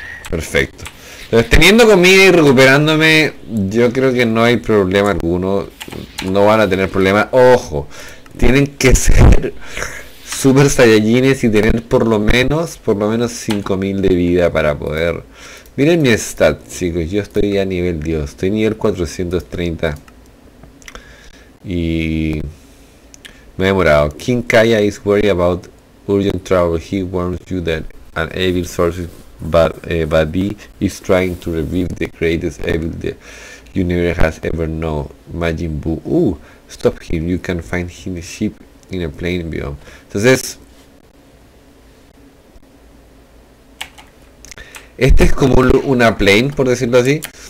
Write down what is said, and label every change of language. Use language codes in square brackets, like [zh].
[es] Perfecto. Entonces, teniendo comida y recuperándome, yo creo que no hay problema alguno. No van a tener problema. Ojo, tienen que ser super saiyajines y tener por lo menos 5.000 de vida para poder. Miren mi stat, chicos, yo estoy a nivel Dios, estoy nivel 430. Y me he demorado. [en] King Kaya is worried about urgent trouble. He warns you that an evil sorcerer, Badi, is trying to revive the greatest evil the universe has ever known. Majin Buu. Stop him. You can find him a ship in a plane beyond. [es] Entonces, este es como una plane, por decirlo así.